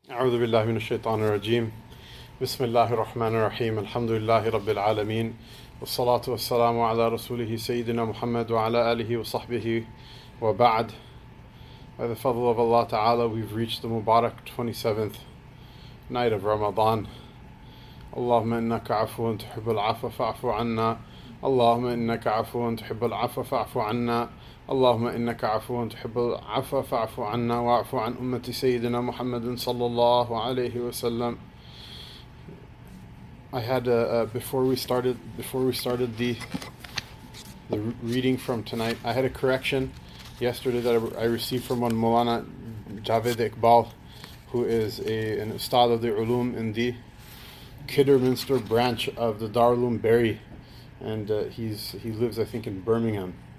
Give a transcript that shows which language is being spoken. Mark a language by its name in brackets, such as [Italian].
[Arabic] أعوذ بالله من الشيطان الرجيم. بسم الله الرحمن الرحيم. الحمد لله رب العالمين، والصلاة والسلام على رسوله سيدنا محمد وعلى آله وصحبه وبعد. [English] By the fadl of Allah Ta'ala, we've reached the Mubarak 27th night of Ramadan. [Arabic] اللهم إنك عفو تحب العفو فاعفو عنا. اللهم إنك عفو تحب العفو فاعفو عنا. اللهم إنك عفو تحب العفو فاعف عنا واعف عن أمة سيدنا محمد صلى الله عليه وسلم. [English] I had before we started the reading from tonight, I had a correction yesterday that I received from one Mulana Javed Iqbal, who is an Ustad of the Ulum in the Kidderminster branch of the Darulum Berry, and he lives I think in Birmingham.